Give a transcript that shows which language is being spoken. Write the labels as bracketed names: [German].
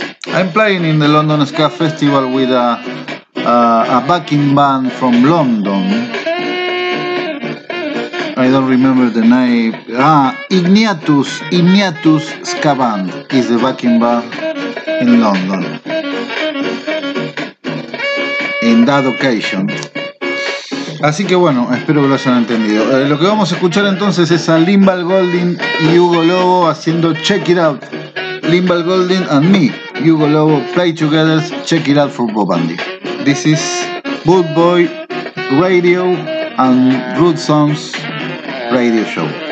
[English] I'm playing in the London Ska Festival with a backing band from London. I don't remember the name. Ignatius Ska Band is the backing band in London in that occasion. [Spanish] Así que bueno, espero que lo hayan entendido. Lo que vamos a escuchar entonces es a Limbal Golding y Hugo Lobo haciendo Check It Out. [English] Limbal Golding and me, Hugo Lobo, play together Check It Out for Bob Andy. This is Boot Boy Radio and Root Sounds Radio Show.